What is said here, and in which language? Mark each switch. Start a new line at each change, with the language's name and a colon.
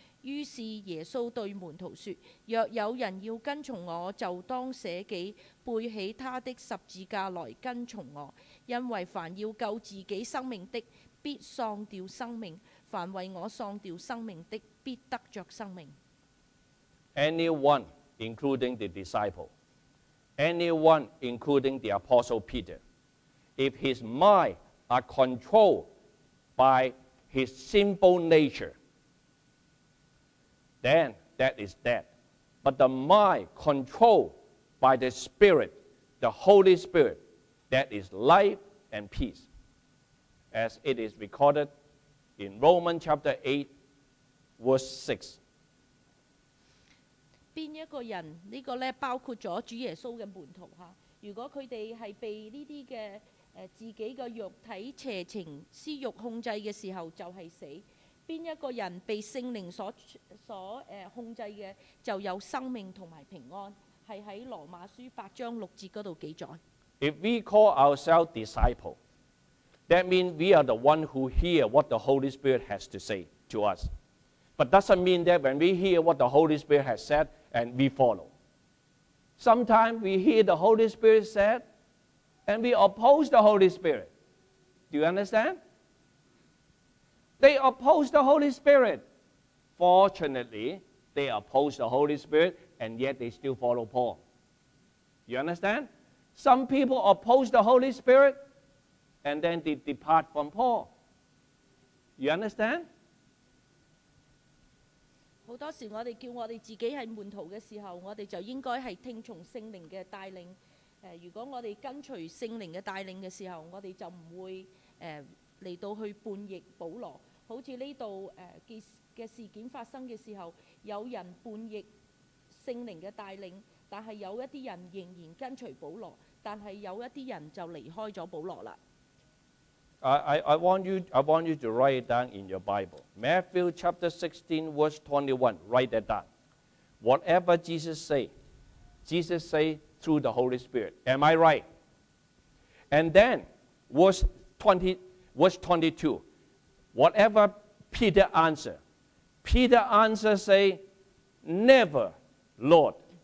Chinese: 于是耶稣对门徒说，若有人要跟从我，就当舍己，背起他的十字架来跟从我。因为凡要救自己生命的，必丧掉生命，凡为我丧掉生命的，必得着生命。
English: Anyone, including the disciple, anyone, including the apostle Peter, if his mind are controlled by his sinful nature, then that is dead. But the mind controlled by the Spirit, the Holy Spirit, that is life and peace. As it is recorded in Romans chapter 8, verse 6.
Chinese: 哪一个人，这个呢，包括了主耶稣的门徒，如果他们是被这些的，自己的肉体邪情私欲控制的时候，就是死。哪一个人被圣灵所控制的，就有生命和平安，是在罗马书八章六节那里记载。
English: If we call ourselves disciples, that means we are the one who hear what the Holy Spirit has to say to us. But doesn't mean that when we hear what the Holy Spirit has said and we follow. Sometimes we hear the Holy Spirit said and we oppose the Holy Spirit. Do you understand? They oppose the Holy Spirit. Fortunately, they oppose the Holy Spirit and yet they still follow Paul. You understand? Some people oppose the Holy Spirit and then they depart from Paul. You understand?
Chinese: 很多时候我们叫我们自己是门徒的时候，我们就应该是听从圣灵的带领。如果我们跟随圣灵的带领的时候，我们就不会来到去叛逆保罗。好像这里的事件发生的时候，有人叛逆圣灵的带领，但是有一些人仍然跟随保罗，但是有一些人就离开了保罗了。
English: I want you to write it down in your Bible. Matthew chapter 16, verse 21. Write that down. Whatever Jesus say through the Holy Spirit. Am I right? And then, verse 22. Whatever Peter answered, Peter answered, say, never, Lord.